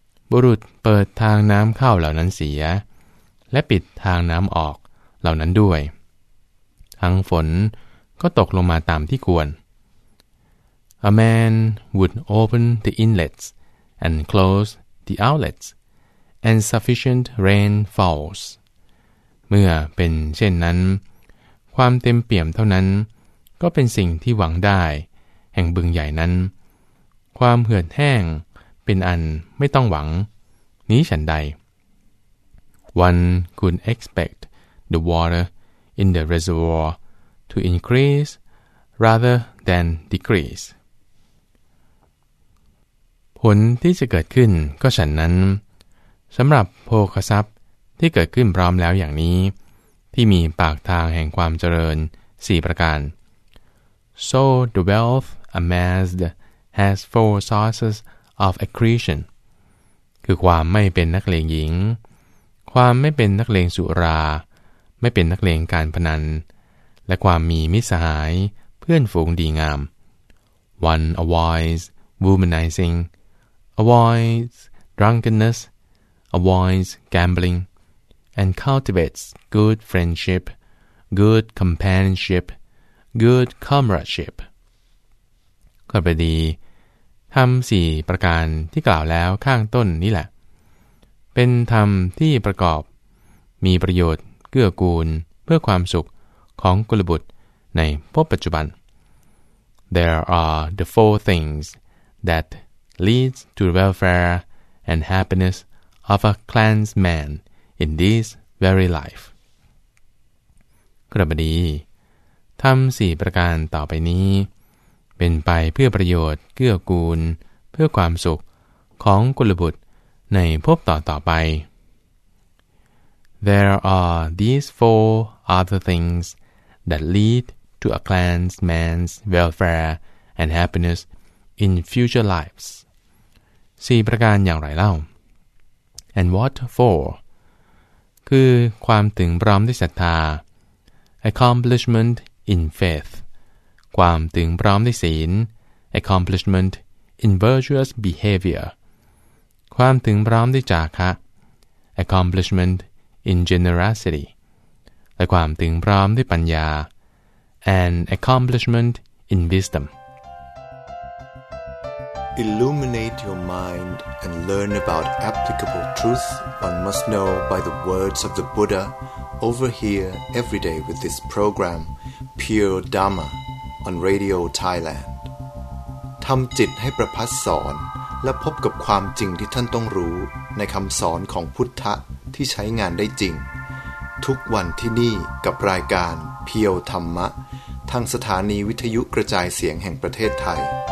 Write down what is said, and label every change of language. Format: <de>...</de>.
<th>บุรุษเปิดทางน้ำเข้าเหล่านั้นเสียและปิดทางน้ำออกเหล่านั้นด้วยทั้งฝนก็ตกลงมาตามที่ควร</th> <en>A man would open the inlets and close the outlets and sufficient rain falls.</en> <th>เมื่อเป็นเช่นนั้นความเต็มเปี่ยมเท่านั้นก็เป็นสิ่งที่หวังได้แห่งบึงใหญ่นั้นความเหือดแห้งเป็นอันไม่ต้องหวังนี้ฉันใด</th> <en>One could expect the water in the reservoir to increase rather than decrease.</en> <th>ผลที่จะเกิดขึ้นก็ฉันนั้นสำหรับโภคทรัพย์ที่เกิดขึ้นพร้อมแล้วอย่างนี้ที่มีปากทางแห่งความเจริญ4ประการ</th> <en>So the wealth amassed has four sources of accretion.</en> <th>คือความไม่เป็นนักเลงหญิงความไม่เป็นนักเลงสุราไม่เป็นนักเลงการพนันและความมีมิตรสหายเพื่อนฝูงดีงาม</th> <en>One avoids womanizing, avoids drunkenness, avoids gambling, and cultivates good friendship, good companionship, good comradeship.</en> <th>ก็พอดีทำ4ประการที่กล่าวแล้วข้างต้นนี่แหละเป็นธรรมที่ประกอบมีประโยชน์เกื้อกูลเพื่อความสุขของกุลบุตรในภพปัจจุบัน</th> <en>There are the four things that leads to the welfare and happiness of a clansman in this very life.</en> <th>กระบดีทำ4ประการต่อไปนี้เป็นไปเพื่อประโยชน์เกื้อกูลเพื่อความสุขของกุลบุตรในภพต่อไป</th> <en>There are these four other things that lead to a clansman's welfare and happiness in future lives.</en> <th>4ประการอย่างไรเล่า</th> <en>And what for?</en> <th>คือความถึงพร้อมด้วยศรัทธา</th> <en>Accomplishment in faith.</en> <th>ความถึงพร้อมด้วยศีล</th> <en>Accomplishment in virtuous behavior.</en> <th>ความถึงพร้อมด้วยจาคะ</th> <en>Accomplishmentin generosity</en> <th>และความถึงพร้อมด้วยปัญญา</th> <en>an accomplishment in wisdom illuminate your mind and learn about applicable truth one must know by the words of the Buddha over here every day with this program Pure Dharma on Radio Thailand</en> <th>ทำจิตให้ประพัสสอนและพบกับความจริงที่ท่านต้องรู้ในคำสอนของพุทธะที่ใช้งานได้จริงทุกวันที่นี่กับรายการเพียวธรรมะทางสถานีวิทยุกระจายเสียงแห่งประเทศไทย</th>